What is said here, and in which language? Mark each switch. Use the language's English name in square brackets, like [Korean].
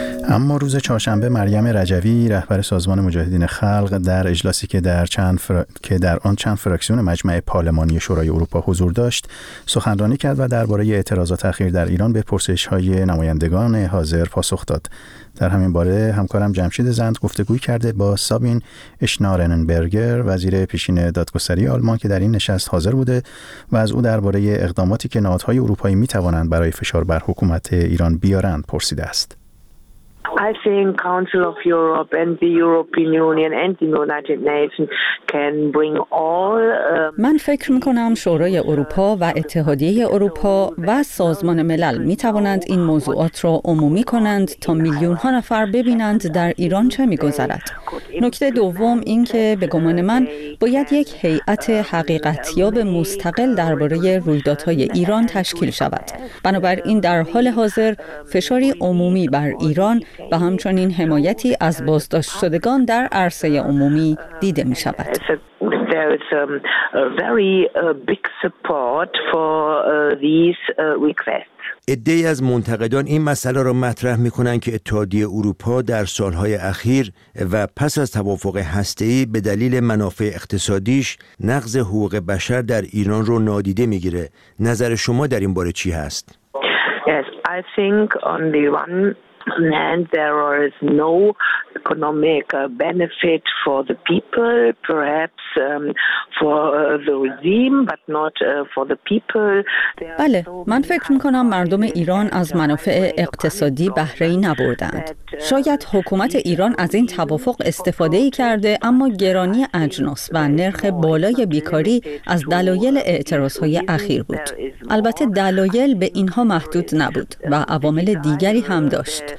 [Persian] اما روز چهارشنبه مریم رجوی، رهبر سازمان مجاهدین خلق، در اجلاسی که در آن چند فراکسیون مجمع پارلمانی شورای اروپا حضور داشت، سخنرانی کرد و درباره اعتراضات اخیر در ایران به پرسش‌های نمایندگان حاضر پاسخ داد. در همین باره همکارم جمشید زند گفتگوی کرده با سابین اشنارننبرگر، وزیر پیشین دادگستری آلمان، که در این نشست حاضر بوده و از او درباره اقداماتی که نهادهای اروپایی می‌توانند برای فشار بر حکومت ایران بیارند پرسیده است. [English] I think Council of Europe and the European Union and the United Nations can bring all [Persian] من فکر می‌کنم شورای اروپا و اتحادیه اروپا و سازمان ملل می‌توانند این موضوعات را عمومی کنند تا میلیون‌ها نفر ببینند در ایران چه می‌گذرد. نکته دوم این که به گمان من باید یک هیئت حقیقت‌یاب مستقل درباره رویدادهای ایران تشکیل شود. بنابراین در حال حاضر فشاری عمومی بر ایران و همچنین حمایتی از بازداشت شدگان در عرصه عمومی دیده می شود. [English] There is a very big support for these requests. [Persian] عده‌ای از منتقدان این مسئله را مطرح می‌کنند که اتحادیه اروپا در سال‌های اخیر و پس از توافق هسته‌ای به دلیل منافع اقتصادیش نقض حقوق بشر در ایران را نادیده می‌گیرد. نظر شما در این باره چی هست؟ [English] Yes, I think on the one and there is no economic benefit for the people, perhaps for the regime, but not for the people. [Persian] بله، من فکر می‌کنم مردم ایران از منافع اقتصادی بهره‌ای نبردند. شاید حکومت ایران از این توافق استفاده‌ای کرده، اما گرانی اجناس و نرخ بالای بیکاری از دلایل اعتراض‌های اخیر بود. البته دلایل به اینها محدود نبود و عوامل دیگری هم داشت.